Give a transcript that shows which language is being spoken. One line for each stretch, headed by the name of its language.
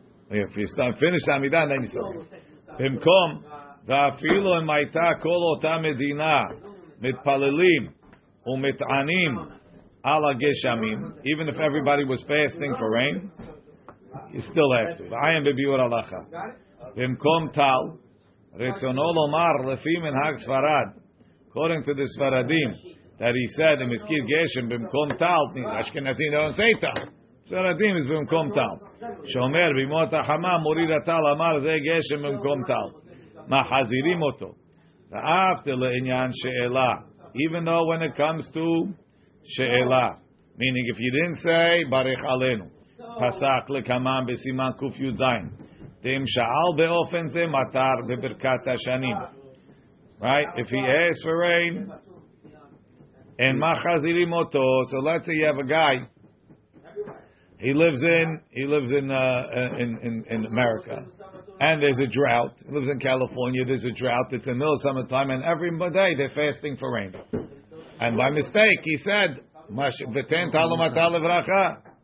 English: If you start finish the Amidah, then you say bimkom.
Hebrew: ואפילו אם הייתה כל אותה מדינה מתפללים ומתענים על הגשמים,
English: even if everybody was fasting for rain, you still have to.
Hebrew: ועיין בביור הלכה. במקום טל, רצונו לומר לפי מנהג ספרד,
English: according to the
Hebrew: ספרדים, that he said, אם הזכיר גשם במקום טל, אשכנזים לא עושה טל. ספרדים זה במקום טל. שאומר, במות החמה מוריד הטל, אמר, זה גשם במקום טל. מחזירים אותו. ואהבתי לעניין שאלה.
English: Even though when it comes to שאלה. Meaning if you didn't say,
Hebrew: ברך עלינו. פסק לקמם בסימן קי"ז. דאם שאל באופן זה מטר בברכת השנים.
English: Right? If he asks for rain, and
Hebrew: מחזירים אותו.
English: So let's say you have a guy. He lives in America. And there's a drought. He lives in California. There's a drought. It's in the middle of summertime. And every day they're fasting for rain. And by mistake, he said,
Hebrew: V'ten talo matal levracha.